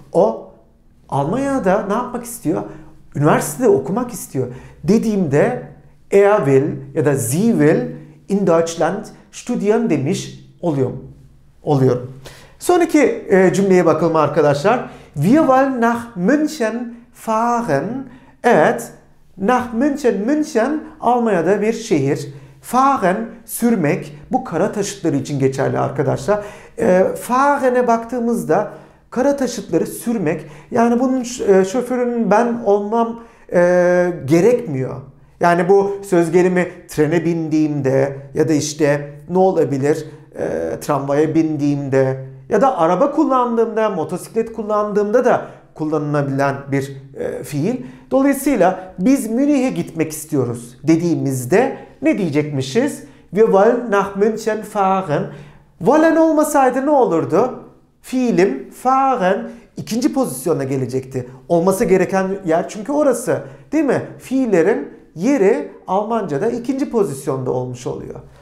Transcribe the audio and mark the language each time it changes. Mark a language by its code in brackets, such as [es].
[tr] O Almanya'da ne yapmak istiyor? Üniversitede okumak istiyor. Dediğimde [de] er will [tr] ya da [de] sie will in Deutschland studieren [tr] demiş oluyorum. Sonraki cümleye bakalım arkadaşlar. [de] Wir wollen nach München fahren. [tr] Evet, [de] nach München, [tr] München Almanya'da bir şehir. Fahren, sürmek. Bu kara taşıtları için geçerli arkadaşlar. Fahren'e baktığımızda kara taşıtları sürmek. Yani bunun şoförünün ben olmam gerekmiyor. Yani bu söz gelimi trene bindiğimde ya da işte ne olabilir tramvaya bindiğimde ya da araba kullandığımda, motosiklet kullandığımda da kullanılabilen bir fiil. Dolayısıyla biz Münih'e gitmek istiyoruz dediğimizde ne diyecekmişiz? [de] Wir wollen nach München fahren. [tr] Wollen olmasaydı ne olurdu? Fiilim fahren ikinci pozisyona gelecekti. Olması gereken yer çünkü orası. Değil mi? Fiillerin yeri Almanca'da ikinci pozisyonda olmuş oluyor.